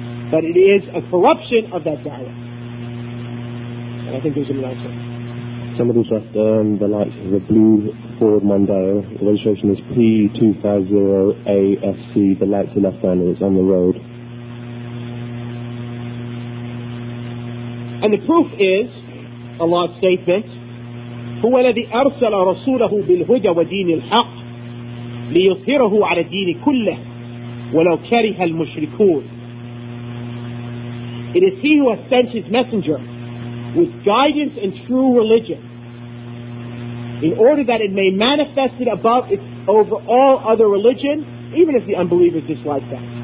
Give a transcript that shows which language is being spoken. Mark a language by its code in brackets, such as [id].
[en] But it is a corruption of that da'wah. And I think there's an answer. Samadhu Shastan, the lights of the blue Ford Mondeo. The registration is P250AFC, the lights are left hand, it's on the road. And the proof is Allah's statement, [ar] هُوَ الَّذِي أَرْسَلَ رَسُولَهُ بِالْهُدَى وَدِينِ الْحَقِّ لِيُظْهِرَهُ عَلَى الدِّينِ كُلَّهِ وَلَوْ كَرِهَ الْمُشْرِكُونَ. [en] It is He who has sent His messenger with guidance and true religion in order that it may manifest it above its over all other religion, even if the unbelievers dislike that.